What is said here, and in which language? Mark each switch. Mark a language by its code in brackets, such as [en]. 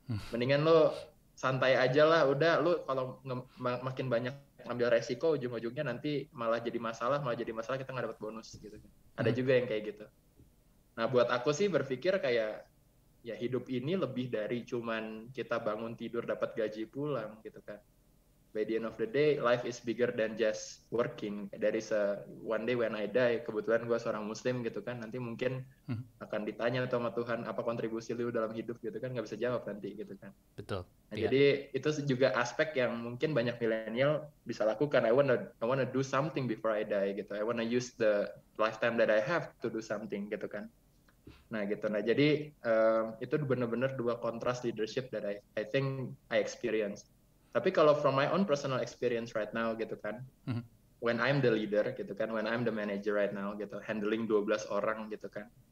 [id] Mendingan lu santai aja lah, udah lu kalau makin banyak ngambil resiko ujung-ujungnya nanti malah jadi masalah kita gak dapat bonus gitu. Ada juga yang kayak gitu. Nah buat aku sih berpikir kayak, ya hidup ini lebih dari cuman kita bangun tidur dapat gaji pulang gitu kan. [en] By the end of the day, life is bigger than just working. There is a one day when I die. [id] Kebetulan gue seorang Muslim gitu kan. Nanti mungkin akan ditanya sama Tuhan apa kontribusi lu dalam hidup gitu kan. Gak bisa jawab nanti gitu kan. Betul. Nah, yeah. Jadi itu juga aspek yang mungkin banyak milenial bisa lakukan. [en] I wanna do something before I die [id] gitu. [en] I wanna use the lifetime that I have to do something [id] gitu kan. Nah gitu. Nah jadi itu benar-benar dua kontras leadership [en] that I think I experience. [id] Tapi kalau [en] from my own personal experience right now [id] gitu kan, [en] when I'm the leader gitu kan, when I'm the manager right now gitu, handling [id] 12 orang gitu kan.